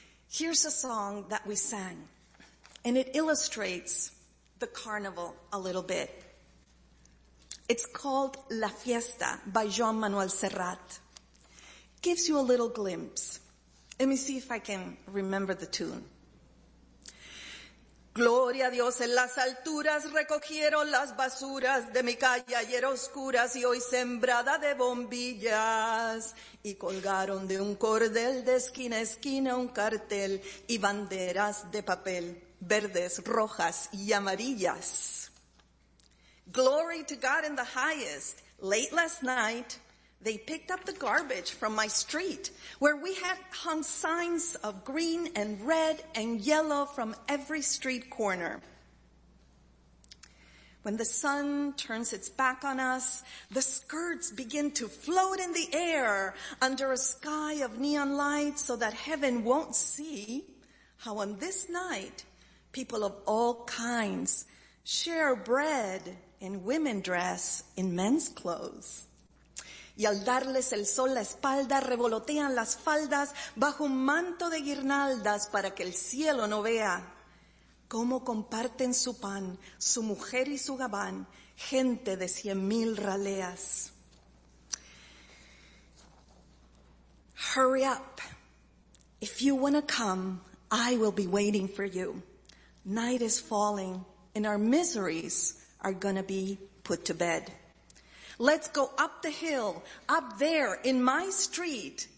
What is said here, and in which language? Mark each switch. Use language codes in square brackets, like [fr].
[en] Here's a song that we sang, and it illustrates the carnival a little bit. It's called La Fiesta by Joan Manuel Serrat. Gives you a little glimpse. Let me see if I can remember the tune. [es] Gloria a Dios en las alturas recogieron las basuras de mi calle ayer oscuras y hoy sembrada de bombillas. Y colgaron de un cordel de esquina a esquina un cartel y banderas de papel, verdes, rojas y amarillas. [en] Glory to God in the highest, late last night, they picked up the garbage from my street where we had hung signs of green and red and yellow from every street corner. When the sun turns its back on us, the skirts begin to float in the air under a sky of neon light so that heaven won't see how on this night people of all kinds share bread and women dress in men's clothes. [es] Y al darles el sol la espalda, revolotean las faldas bajo un manto de guirnaldas para que el cielo no vea cómo comparten su pan, su mujer y su gabán, gente de 100,000 raleas. [en] Hurry up. If you want to come, I will be waiting for you. Night is falling, and our miseries are going to be put to bed. Let's go up the hill, up there in my street.